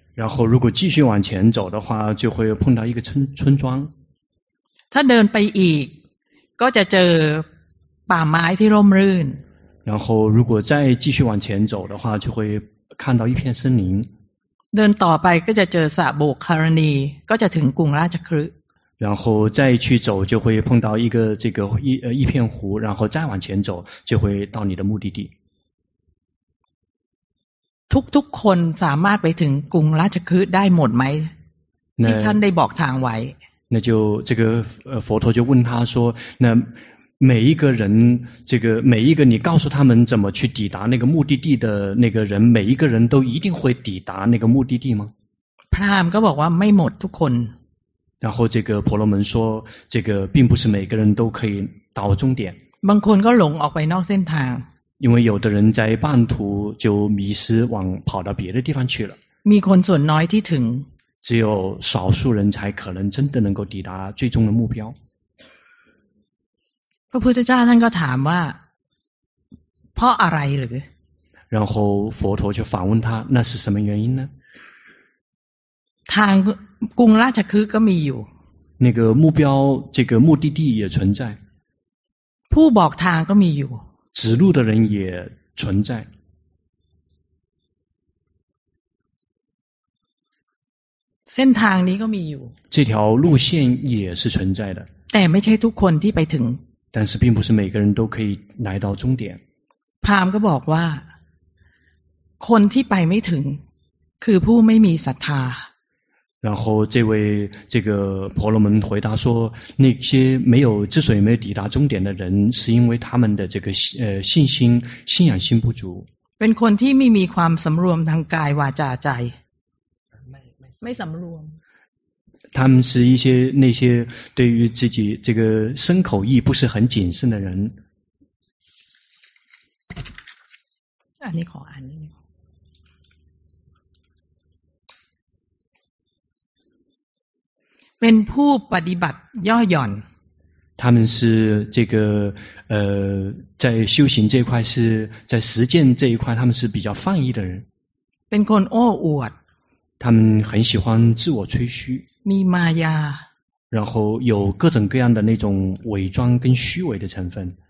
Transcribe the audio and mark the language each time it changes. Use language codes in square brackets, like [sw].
[zh] 然后如果继续往前走的话就会碰到一个村庄 [th] ถ้าเดินไปอีกก็จะเจอป่าไม้ที่ร่มรื่น [zh] 然后如果再继续往前走的话就会看到一片森林 [th] เดินต่อไปก็จะเจอสระโบกขรณีก็จะถึงกรุงราชคฤห์ [zh] 然后再去走就会碰到一个这个 一片湖然后再往前走就会到你的目的地 [th] ทุกคนสามารถไปถึงกรุงราชคฤห์ได้หมดไหมที่ท่านได้บอกทางไว้ [zh] 那就这个佛陀就问他说那每一个人这个每一个你告诉他们怎么去抵达那个目的地的那个人每一个人都一定会抵达那个目的地吗 [th] พราหมณ์ก็บอกว่าไม่หมดทุกคน [zh] 然后这个婆罗门说这个并不是每个人都可以到终点 [th] บางคนก็หลงออกไปนอกเส้นทาง [zh] 因为有的人在半途就迷失往跑到别的地方去了 [th] มีคนส่วนน้อยที่ถึง [zh] 只有少数人才可能真的能够抵达最终的目标 [th] พระพุทธเจ้าท่านก็ถามว่าเพราะอะไรหรือ [zh] 然后佛陀就反问他那是什么原因呢 [th] ทางกรุงราชคฤห์ก็มีอยู่ [zh] 那个目标这个目的地也存在 [th] ผู้บอกทางก็มีอยู่ [zh] 指路的人也存在 [th] เส้นทางนี้ก็มีอยู่ [zh] 这条路线也是存在的 [th] แต่ไม่ใช่ทุกคนที่ไปถึง [zh] 但是并不是每个人都可以来到终点 [th] พราหมณ์ก็บอกว่าคนที่ไปไม่ถึงคือผู้ไม่มีศรัทธา [zh] 然后这个婆罗门回答说那些没有之所以没有抵达终点的人是因为他们的这个信心信仰心不足 [th] เป็นคนที่ไม่มีความสำรวมทางกายวาจาใจไม่สำรวม [zh] 他们是一些那些对于自己这个身口意不是很谨慎的人啊你好啊你好 [th] เป็นผู้ปฏิบัติย่อหย่อน [zh] 他们是这个在修行这一块是在实践这一块他们是比较放逸的人 [th] เป็นคนโอ้อวด [zh] 他们很喜欢自我吹嘘 [th] มีมายา [zh] 然后有各种各样的那种伪装跟虚伪的成分